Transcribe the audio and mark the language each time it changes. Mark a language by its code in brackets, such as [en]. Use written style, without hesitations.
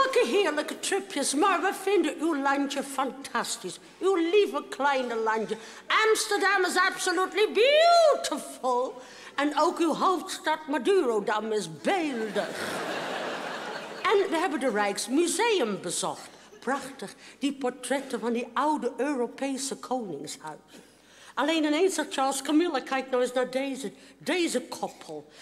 [nl] Heerlijke tripjes, maar we vinden uw landje fantastisch. Uw lieve kleine landje. [en] Amsterdam is absolutely beautiful. [nl] En ook uw hoofdstad Madurodam is beeldig. En we hebben de Rijksmuseum bezocht. Prachtig, die portretten van die oude Europese koningshuis. Alleen ineens zegt Charles Camilla, kijk nou eens naar deze koppel.